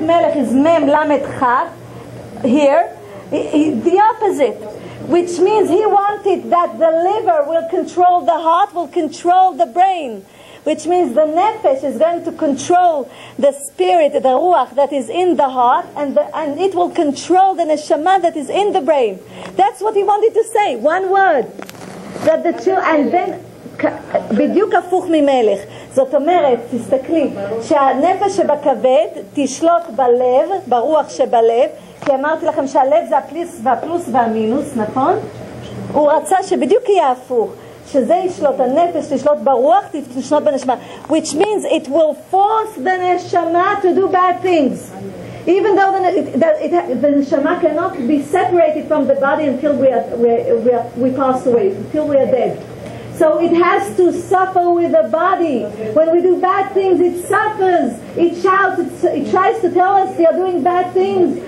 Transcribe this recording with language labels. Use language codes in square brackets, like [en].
[en] Melech is mem lamet chav, here. The opposite, which means he wanted that the liver will control the heart, will control the brain, which means the nefesh is going to control the spirit, the ruach that is in the heart, and it will control the neshama that is in the brain. That's what he wanted to say. One word, that the children, and then [he] בדיוק הפוך ממלך. זאת אומרת, תסתכלי, שהנפש שבכבד תשלוט בלב, ברוח שבלב, כי אמרתי לכם שהלב זה הפליס והפלוס והמינוס, נכון? הוא רצה שבדיוק יהיה הפוך, שזה ישלוט, הנפש תשלוט ברוח, תשלוט בנשמה. [en] Which means it will force the neshama to do bad things. Even though the neshama cannot be separated from the body until we pass away, until we are dead. So it has to suffer with the body. When we do bad things, it suffers. It shouts, it tries to tell us, you're doing bad things.